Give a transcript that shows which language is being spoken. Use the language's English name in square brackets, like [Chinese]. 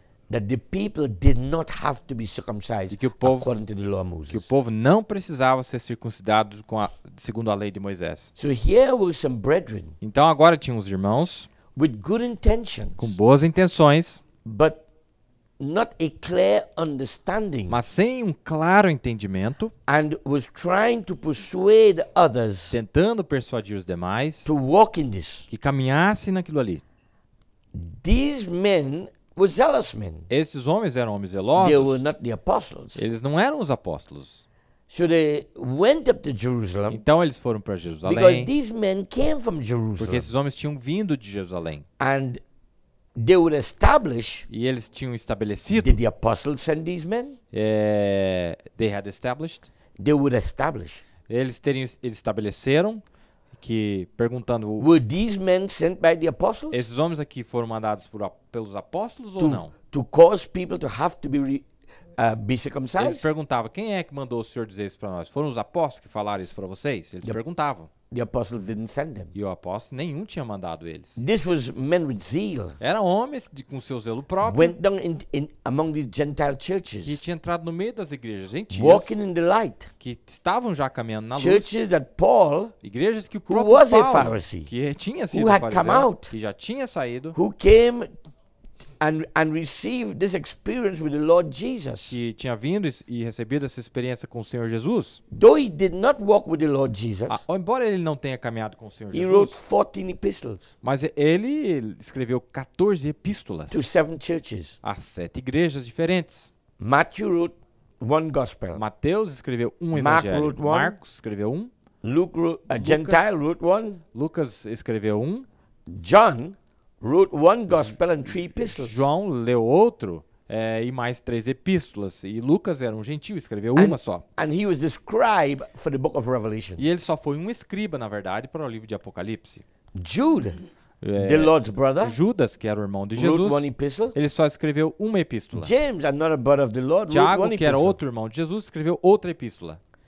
[English] that the people did not have to be circumcised, [Portuguese] que o povo, [English] according to the law of Moses, [Portuguese] que o povo não precisava ser circuncidado segundo a lei de Moisés. [English] So here were some brethren, [Portuguese] então agora tinha uns irmãos, [English] with good intentions, [Portuguese] com boas intenções, [English] but not a clear understanding, [Portuguese] mas sem um claro entendimento, [English] and was trying to persuade others, [Portuguese] tentando persuadir os demais, [English] to walk in this, [Portuguese] que caminhassem naquilo ali. [English] These men were zealous men. [Portuguese] Esses homens eram homens zelosos. [English] They were not the apostles. [Portuguese] Eles não eram os apóstolos. [English] So they went up to Jerusalem. [Portuguese] Então eles foram para Jerusalém. [English] Because these men came from Jerusalem. [Portuguese] Porque esses homens tinham vindo de Jerusalém. [English] And they would establish. [Portuguese] E eles tinham estabelecido. [English] Did the apostles send these men? They had established. They would establish. [Portuguese] Eles estabeleceram que perguntando. [English] Were these men sent by the apostles? [Portuguese] Esses homens aqui foram mandados pelos apóstolos ou não? [English] To cause people to have to be be circumcised? [Portuguese] Eles perguntavam, quem é que mandou o senhor dizer isso para nós? Foram os apóstolos que falaram isso para vocês? Eles perguntavam. [English] The apostles didn't send them. [Portuguese] E o apóstolo nenhum tinha mandado eles. [English] This was men with zeal. [Portuguese] Eram homens com seu zelo próprio. [English] Went down in among these Gentile churches. [Portuguese] Que tinha entrado no meio das igrejas gentias. [English] Walking in the light. [Portuguese] Que estavam já caminhando na luz. [English] Churches that Paul, [Portuguese] igrejas que o próprio [English] who was [Portuguese] Paulo, [English] a Pharisee, [Portuguese] que tinha sido fariseu, [English] who had come out, [Portuguese] que já tinha saído, [English] who came and received this experience with the Lord Jesus. [Portuguese] Que tinha vindo e recebido essa experiência com o Senhor Jesus. [English] Though he did not walk with the Lord Jesus. [Portuguese] Embora ele não tenha caminhado com o Senhor Jesus. [English] He wrote 14 epistles. [Portuguese] Mas ele escreveu 14 epístolas. [English] To 7 churches. [Portuguese] A 7 igrejas diferentes. [English] Matthew wrote one gospel. [Portuguese] Mateus escreveu um evangelho. [English] Mark wrote [Portuguese] Marcos escreveu um. [English] Luke wrote, a Gentile wrote one. [Portuguese] Lucas escreveu um. [English] John wrote one gospel and three epistles. [Portuguese] João leu outro e mais 3 epístolas. E Lucas era um gentil, escreveu uma só. [English] And he was a scribe for the book of Revelation. [Portuguese] E ele só foi um escriba, na verdade, para o livro de Apocalipse. [English] Jude, the Lord's brother, [Portuguese] Judas, que era o irmão de Jesus, [English] wrote one epistle. [Portuguese] Ele só escreveu uma epístola. [English] James, another brother of the Lord, [Portuguese] Tiago, [English] wrote one epistle. [Portuguese] Que era outro irmão de Jesus, escreveu outra epístola.